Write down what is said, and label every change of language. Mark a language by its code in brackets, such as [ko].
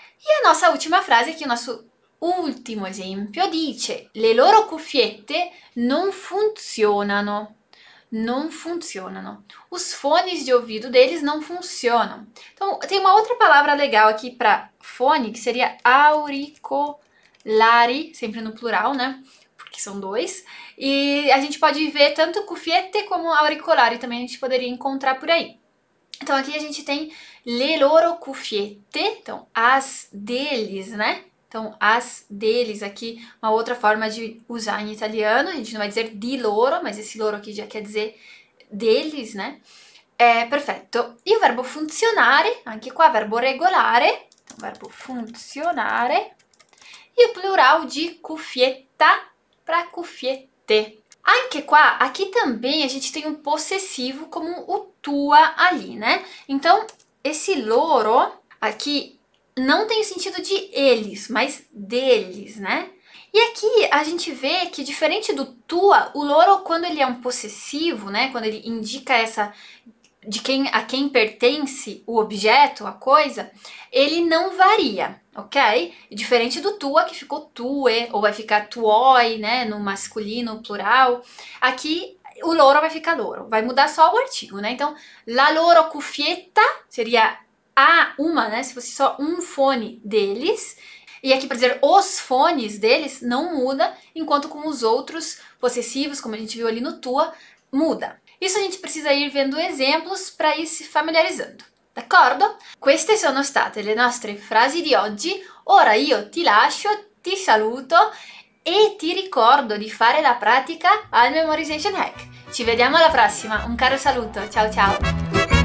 [pt] E a nossa última frase aqui, o nosso [it] ultimo esempio, dice: le loro cuffiette non funzionano. Non funzionano. [pt] Os fones de ouvido deles não funcionam. Então, tem uma outra palavra legal aqui para fone, que seria auriculari, sempre no plural, né? Porque são dois. E a gente pode ver tanto cuffiette como auricolari também a gente poderia encontrar por aí. Então, aqui a gente tem [it] le loro cuffiette, [pt] então as deles, né? Então, as deles aqui, uma outra forma de usar em italiano, a gente não vai dizer di loro, mas esse loro aqui já quer dizer deles, né? É perfetto. E o verbo funzionare, [it] anche qua, [pt] verbo regolare, então, verbo funzionare, e o plural di cuffietta para cuffiette. [it] Anche qua, [pt] aqui também a gente tem um possessivo como o tua ali, né? Então, esse loro aqui não tem o sentido de eles, mas deles, né? E aqui a gente vê que, diferente do tua, o loro, quando ele é um possessivo, né? Quando ele indica essa de quem a quem pertence o objeto, a coisa, ele não varia, ok? Diferente do tua, que ficou tue, ou vai ficar tuoi, né? No masculino, plural. Aqui o loro vai ficar loro, vai mudar só o artigo, né? Então, la loro cuffietta seria uma, né? Se fosse só um fone deles, e aqui para dizer os fones deles, não muda, enquanto com os outros possessivos, como a gente viu ali no tua, muda. Isso a gente precisa ir vendo exemplos para ir se familiarizando, [it] d'accordo? Queste sono state le nostre frasi di oggi. Ora io ti lascio, ti saluto e ti ricordo di fare la pratica al Memorization Hack. Ci vediamo alla prossima. Un caro saluto, ciao ciao!